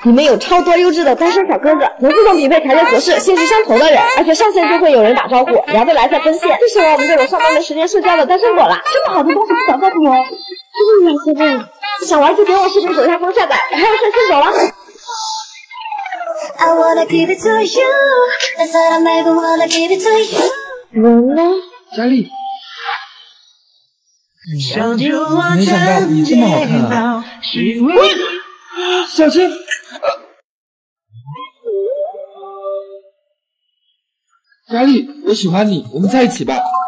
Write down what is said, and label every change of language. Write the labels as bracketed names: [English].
[Chinese] 你们有超多优质的单身小哥哥，能自动匹配条件合适、性质相投的人，而且上线就会有人打招呼，聊得来再奔现。这是我们这种上班没时间社交的单身狗啦。这么好的公司不想告诉我？这么有钱的，想玩就点我视频左下方下载，我还要上线走了。 [English] I wanna give it to you. That's what I'm ever wanna give it to you. [Chinese] 人呢？佳丽，没想到你这么好看啊！滚！小心！佳丽，我喜欢你，我们在一起吧。